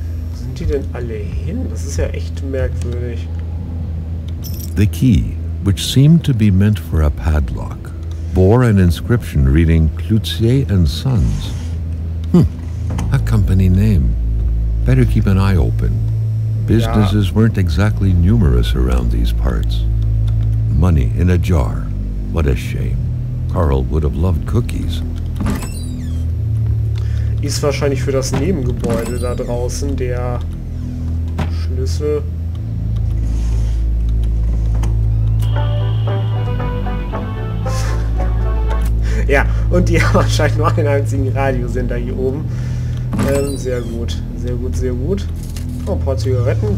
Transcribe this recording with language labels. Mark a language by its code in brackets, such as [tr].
[de] Wo sind die denn alle hin? Das ist ja echt merkwürdig. [en] The key, which seemed to be meant for a padlock, bore an inscription reading Cloutier and Sons. A company name. Better keep an eye open. Businesses weren't exactly numerous around these parts. Money in a jar. What a shame. Carl would have loved cookies. [de] Ist wahrscheinlich für das Nebengebäude da draußen der Schlüssel. Ja, und die haben wahrscheinlich nur einen einzigen Radiosender hier oben. Sehr gut. Sehr gut, sehr gut. Oh, ein paar Zigaretten.